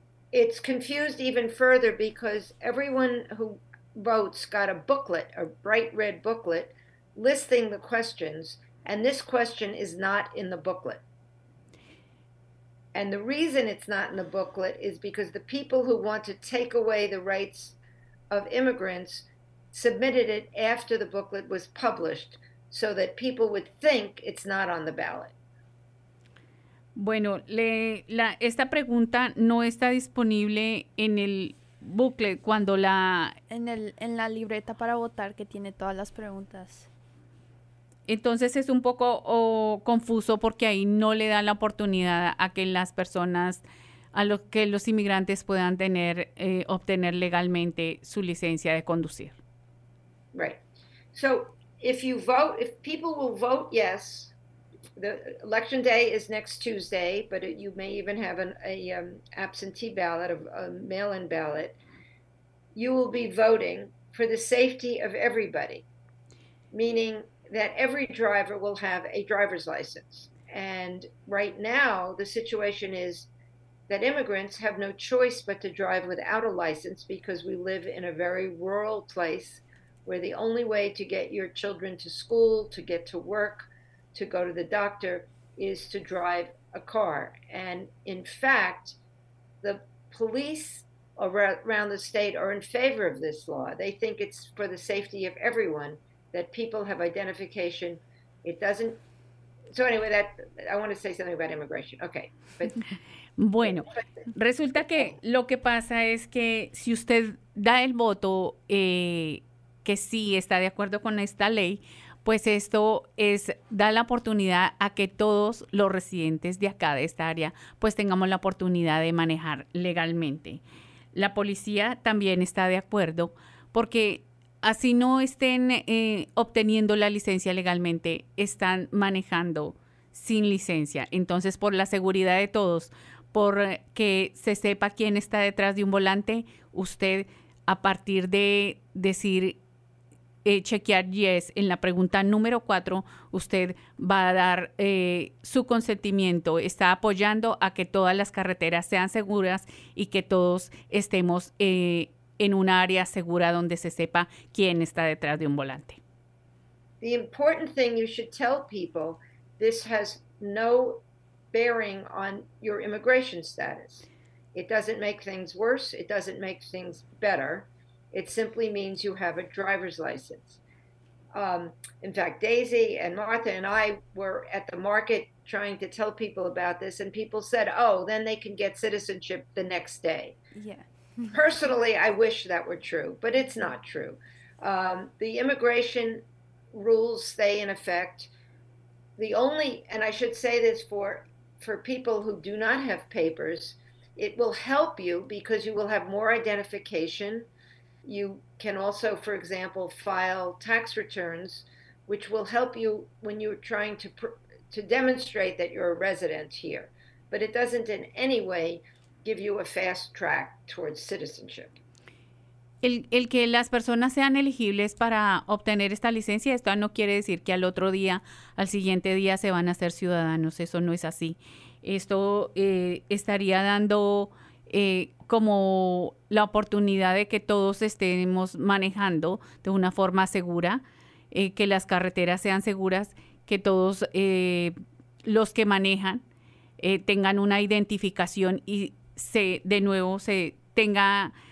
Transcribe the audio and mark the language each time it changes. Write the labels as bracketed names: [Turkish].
[English] It's confused even further because everyone who votes got a booklet, a bright red booklet, listing the questions, and this question is not in the booklet. And the reason it's not in the booklet is because the people who want to take away the rights of immigrants submitted it after the booklet was published so that people would think it's not on the ballot. [Spanish] Bueno, esta pregunta no está disponible en el booklet cuando la... En la libreta para votar que tiene todas las preguntas. Entonces es un poco confuso porque ahí no le da la oportunidad a que las personas, a lo que los inmigrantes puedan tener, obtener legalmente su licencia de conducir. [English] Right. So, if people will vote yes, the election day is next Tuesday, but you may even have an absentee ballot, a mail-in ballot, you will be voting for the safety of everybody, meaning that every driver will have a driver's license. And right now, the situation is that immigrants have no choice but to drive without a license because we live in a very rural place where the only way to get your children to school, to get to work, to go to the doctor is to drive a car. And in fact, the police around the state are in favor of this law. They think it's for the safety of everyone, that people have identification. It doesn't, so anyway, that I want to say something about immigration. Okay. [Spanish] Bueno, resulta que lo que pasa es que si usted da el voto que sí está de acuerdo con esta ley, pues esto es, da la oportunidad a que todos los residentes de acá, de esta área, pues tengamos la oportunidad de manejar legalmente. La policía también está de acuerdo porque así no estén obteniendo la licencia legalmente, están manejando sin licencia. Entonces, por la seguridad de todos, por que se sepa quién está detrás de un volante, usted, a partir de decir, chequear yes en la pregunta número 4, usted va a dar su consentimiento, está apoyando a que todas las carreteras sean seguras y que todos estemos en un área segura donde se sepa quién está detrás de un volante. [English] The important thing you should tell people, this has no bearing on your immigration status. It doesn't make things worse, it doesn't make things better. It simply means you have a driver's license. In fact, Daisy and Martha and I were at the market trying to tell people about this, and people said, oh, then they can get citizenship the next day. Yeah. Personally, I wish that were true, but it's not true. The immigration rules stay in effect. The only, and I should say this for people who do not have papers, it will help you because you will have more identification. You can also, for example, file tax returns, which will help you when you're trying to demonstrate that you're a resident here. But it doesn't in any way give you a fast track towards citizenship. [Spanish] El que las personas sean elegibles para obtener esta licencia, esto no quiere decir que al otro día, al siguiente día, se van a ser ciudadanos. Eso no es así. Esto estaría dando como la oportunidad de que todos estemos manejando de una forma segura, que las carreteras sean seguras, que todos los que manejan tengan una identificación y se de nuevo se tenga